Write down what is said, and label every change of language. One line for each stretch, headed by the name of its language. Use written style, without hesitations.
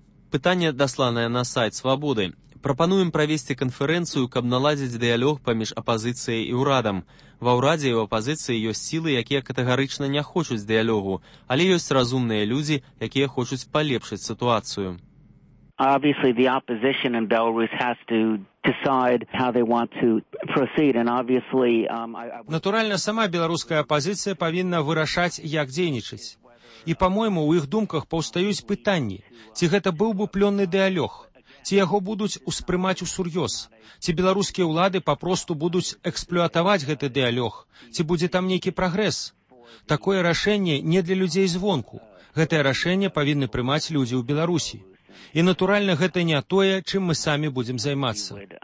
Belarusian: Пытанне, дасланае на сайт «Свабоды». Прапануем правесці канферэнцыю, каб наладзіць дыялог паміж апазіцыяй і ўрадам. Ва ўрадзе і ў апазіцыі ёсць сілы, якія катэгарычна не хочуць дыялогу, але ёсць разумныя людзі, якія хочуць палепшыць сітуацыю.
English: Obviously the opposition in Belarus has to decide how they want to proceed and obviously
Belarusian: Натуральна сама беларуская апозіцыя павінна вырашаць, як дзейнічаць. І, па-мойму, у іх думках паўстаюць пытанні: ці гэта быў бы плённы дыялог, ці яго будуць успрымаць усур'ёз, ці беларускія ўлады папросту будуць эксплуатаваць гэты дыялог, ці будзе там нейкі прагрэс. Такое рашэнне не для людзей звонку. Гэтае рашэнне павінны прымаць людзі ў Беларусі. І натуральна, гэта не тое, чым мы самі будзем займацца.